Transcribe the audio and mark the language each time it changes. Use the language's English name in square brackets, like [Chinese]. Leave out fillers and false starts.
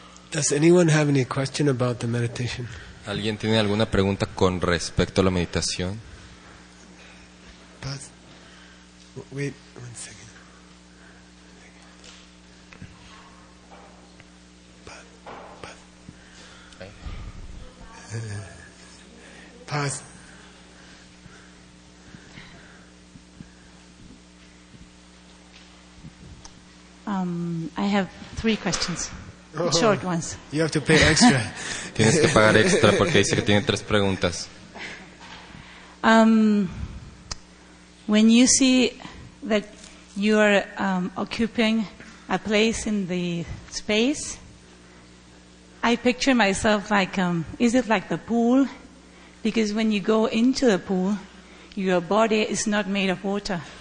[English] Does anyone have any question about the meditation? [Spanish] ¿Alguien tiene alguna pregunta con respecto a la meditación? [English] Pause. Wait one second. Pause. I have three questions. Short ones. You have to pay extra. [Spanish] Tienes que pagar extra porque dice que tiene tres preguntas. [English] When you see that you are occupying a place in the space, I picture myself like, is it like the pool? Because when you go into the pool, your body is not made of water.